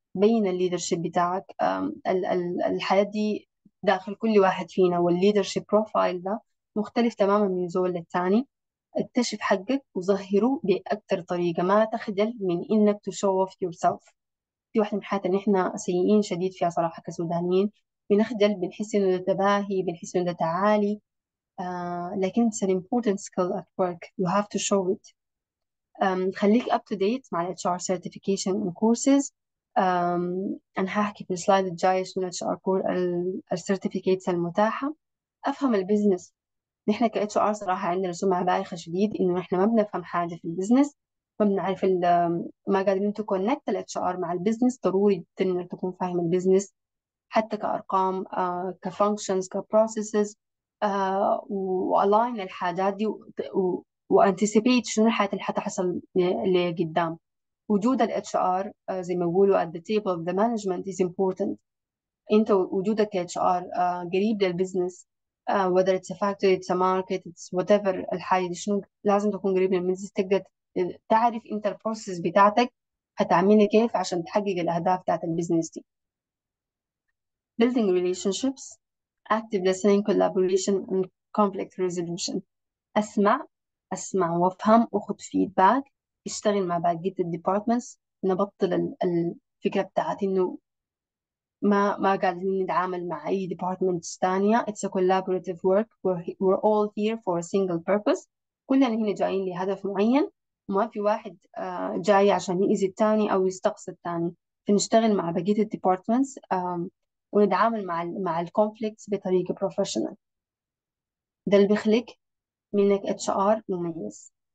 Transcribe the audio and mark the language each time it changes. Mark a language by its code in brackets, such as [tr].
[ar] بين الليدرشيب بتاعك. الحياة دي داخل كل واحد فينا، والليدرشيب بروفايل ده مختلف تماما من زول للتاني. اكتشف حقك وظهره بأكثر طريقة، ما تخجل من إنك تشوف يورسيلف. في واحدة من الحاجات اللي إحنا سيئين شديد فيها صراحة كسودانيين، بنخجل، بنحس إنه ده تباهي، بنحس إنه ده تعالي. [en] لكن it's an important skill at work, you have to show it. [ar] خليك up to date مع ال HR certification and courses. أنا هحكي في السلايد الجاي شنو ال HR ال certificates المتاحة. أفهم البيزنس، نحن ك HR صراحة عندنا سمعة بايخة شديد إنه نحن ما بنفهم حاجة في البيزنس، فبنعرف ما قادرين تو كونكت ال HR مع البيزنس. ضروري جدا إنك تكون فاهم البيزنس حتى كأرقام، كفانكشنز، كبروسيسز، وألاين الحاجات دي وانتسيبيت شنو الحاجات اللي حتحصل لقدام. [en] وجود ال HR زي ما بيقولوا at the table of the management is important. [ar] انت وجودك ك HR قريب للبزنس، whether it's a factory, it's a market, it's whatever الحاجة دي، شنو لازم تكون قريب للبزنس، تقدر تعرف انت ال process بتاعتك هتعملها كيف عشان تحقق الأهداف بتاعت البزنس دي. [en] Building relationships, active listening, collaboration and conflict resolution. [ar] اسمع اسمع وافهم وخد فيدباك، اشتغل مع باقي الديبارتمنتس. نبطل الفكرة بتاعت انه ما قاعدين نتعامل مع اي ديبارتمنت تانية. [en] It's a collaborative work, we're all here for a single purpose. [ar] كلنا هنا جايين لهدف معين، ما في واحد جاي عشان يأذي التاني او يستقصي التاني. فنشتغل مع بقية الديبارتمنتس ونتعامل مع الكونفليكتس بطريقة بروفيشنال. ده اللي بيخليك منك HR مميز.